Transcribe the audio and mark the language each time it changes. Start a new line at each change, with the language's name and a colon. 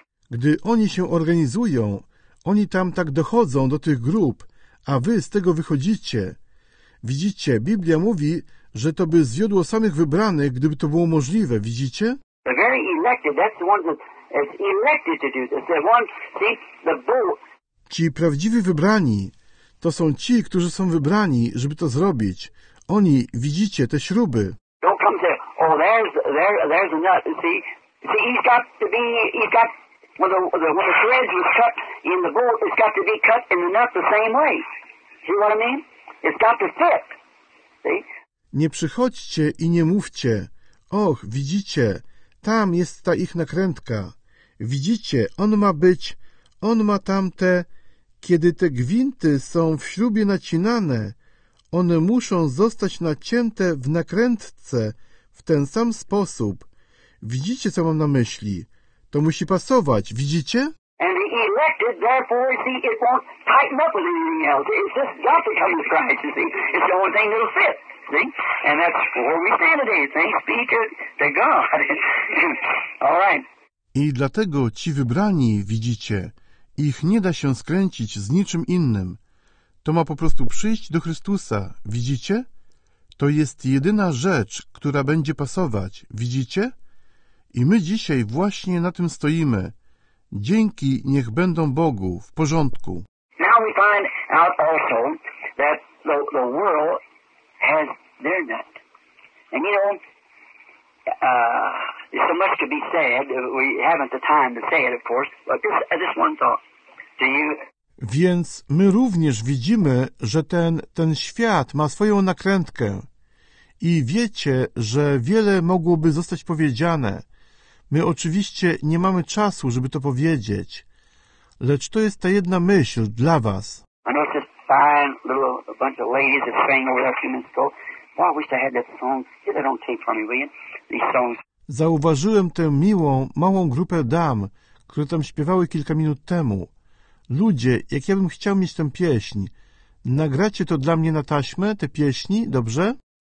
Polish: Gdy oni się organizują, oni tam tak dochodzą do tych grup, a wy z tego wychodzicie. Widzicie, Biblia mówi, że to by zwiodło samych wybranych, gdyby to było możliwe, widzicie?
English: The very elected, that's the one that's elected to do this. The one, see, the bull.
Polish: Ci prawdziwi wybrani, to są ci, którzy są wybrani, żeby to zrobić. Oni, widzicie, te śruby.
English: Don't come say, oh, there's a nut, see, he's got to be, when the threads was cut in the bull, it's got to be cut in the nut the same way. See what I mean? It's got to fit, see?
Polish: Nie przychodźcie i nie mówcie, och, widzicie, tam jest ta ich nakrętka. Widzicie, on ma być, on ma tamte, kiedy te gwinty są w śrubie nacinane, one muszą zostać nacięte w nakrętce w ten sam sposób. Widzicie, co mam na myśli? To musi pasować, widzicie?
English: And the elected, therefore, see, it won't tighten up with anything else. It's just got to come to Christ, you see. It's the only thing that'll fit. See? And that's where we stand today. Thanks be to God. All right.
Polish: I dlatego ci wybrani, widzicie, ich nie da się skręcić z niczym innym. To ma po prostu przyjść do Chrystusa, widzicie? To jest jedyna rzecz, która będzie pasować, widzicie? I my dzisiaj właśnie na tym stoimy. Dzięki niech będą Bogu, w porządku.
English: Now we find out also that the world has their net. And you know, there's so much to be said, we haven't the time to say it, of course, but just one thought. Do you...
Polish: Więc my również widzimy, że ten świat ma swoją nakrętkę. I wiecie, że wiele mogłoby zostać powiedziane. My oczywiście nie mamy czasu, żeby to powiedzieć. Lecz to jest ta jedna myśl dla was.
English: I know it's just fine little bunch of ladies that sang over there a few minutes ago. Boy, I wish I had that song. Get that on tape for me, will you? These songs.
Polish: Zauważyłem tę miłą, małą grupę dam, które tam śpiewały kilka minut temu. Ludzie, jak ja bym chciał mieć tę pieśń. Nagracie to dla mnie na taśmę, te pieśni, dobrze?